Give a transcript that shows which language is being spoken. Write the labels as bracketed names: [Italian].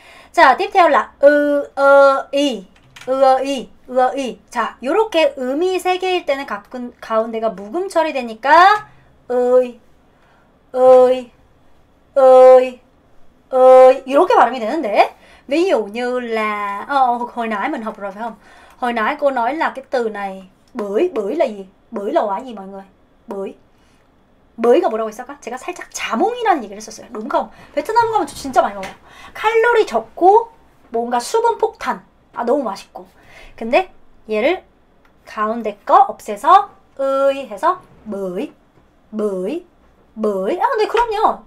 [Korean] 자, 띠테올라 으어이 으어이 으어이. 자, 요렇게 음이 세 개일 때는 가운데가 묵음 처리 되니까 으이 으이 으이 으이 이렇게 발음이 되는데. [Vietnamese] Ví dụ như là hồi nãy mình học rồi phải không? Hồi nãy cô nói là cái từ này bưởi, bưởi là gì? Bưởi là quả gì mọi người? Bưởi. [Korean] Bưởi가 뭐라고 했어요? 제가 살짝 자몽이라는 얘기를 했었어요. [Vietnamese] đúng không? [Korean] 베트남 가면 저 진짜 많이 먹어요. 칼로리 적고 뭔가 수분 폭탄. 아, 너무 맛있고. 근데 얘를 가운데 거 없애서 으이 해서 뭐이? 뭐이? 뭐이? 아, 네, 그럼요.